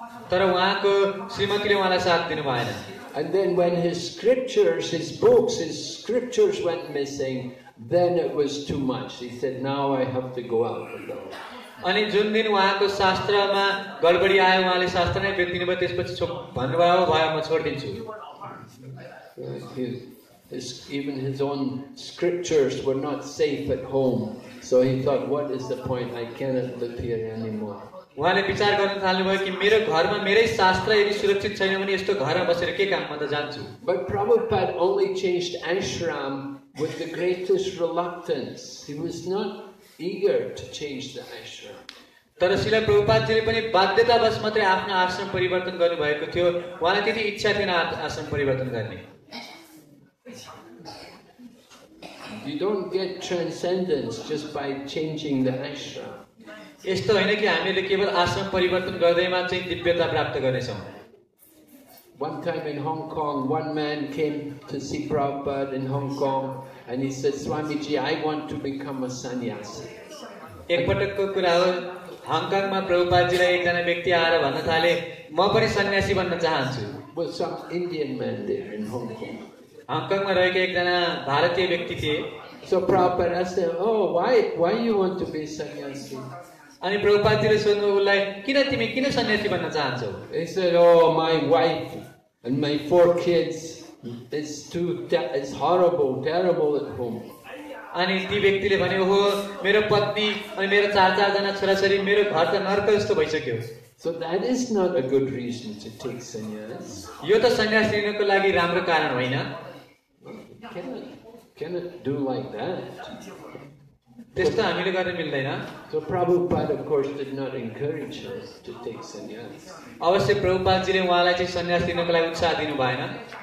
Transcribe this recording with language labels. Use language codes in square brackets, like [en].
[ne] तर उहाँको श्रीमतीले उहाँलाई साथ दिनु भएन [en] And then when his scriptures, his books, his scriptures went missing, then it was too much. He said, now I have to go out alone. Even his own scriptures were not safe at home. So he thought, what is the point? I cannot live here anymore. [ne] उहाँले विचार गर्न थाल्नुभयो कि मेरो घरमा मेरै शास्त्र यदि सुरक्षित छैन भने यस्तो घरमा बसेर के काम म त जान्छु [en] But Prabhupada only changed ashram with the greatest reluctance. He was not eager to change the ashram. [ne] तर श्रील प्रभुपादजीले पनि बाध्यतावश मात्रै आफ्नो आश्रम परिवर्तन गर्नुभएको थियो उहाँलाई त्यति इच्छा थिएन आश्रम परिवर्तन गर्ने [en] You don't get transcendence just by changing the ashram. [ne] यस्तो होइन कि हामीले केवल आश्रम परिवर्तन गर्दैमा चाहिँ दिव्यता प्राप्त गर्नेछौँ [en] One time in Hong Kong, one man came to see Prabhupada in Hong Kong, and he said, Swamiji, I want to become a sannyasi. [ne] एकपटकको कुरा हो हङकङमा प्रभुपादजीलाई एकजना व्यक्ति आएर भन्न थाले म पनि सन्यासी बन्न चाहन्छु [en] But some Indian man there in Hong Kong. [ne] हङकङमा रहेको एकजना भारतीय व्यक्ति थिए [en] So Prabhupada said, oh, why you want to be a sannyasi? [ne] अनि प्रभुपादजीले सोध्नु उलाई किन तिमी किन सन्यासी बन्न चाहन्छौ [en] He said, oh, my wife and my four kids it's horrible terrible at home [ne] अनि ती व्यक्तिले भन्यो हो मेरो पत्नी अनि मेरो चार चार जना छोराछोरी मेरो घर त नर्क जस्तो भइसक्यो [en] So that is not a good reason to take sannyas [ne] यो त सन्यास लिनको लागि राम्रो कारण होइन [en] Cannot do like that [ne] त्यस्तो हामीले गर्न मिल्दैन [en] So Prabhupada of course did not encourage us to take sannyas [ne] अवश्य प्रभुपादजीले उहाँलाई चाहिँ सन्यास लिनको लागि उत्साह दिनु भएन